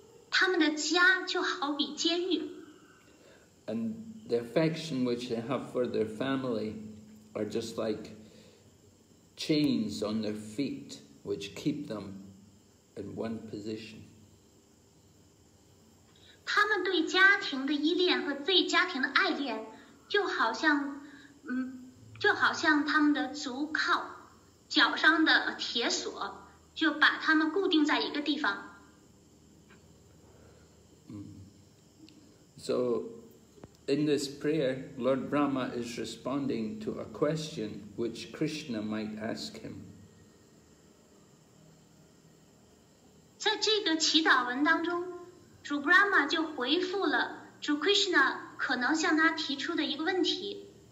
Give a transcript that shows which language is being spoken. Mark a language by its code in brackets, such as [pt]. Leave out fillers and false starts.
[zh] 他们的家就好比监狱。 [en] And the affection which they have for their family are just like chains on their feet, which keep them in one position. [zh] 他们对家庭的依恋和对家庭的爱恋，就好像他们的足靠，脚上的铁锁，就把他们固定在一个地方。 [en] So in this prayer, Lord Brahma is responding to a question which Krishna might ask him. [zh] 在这个祈祷文当中，主 Brahma 就回复了主 Krishna 可能向他提出的一个问题。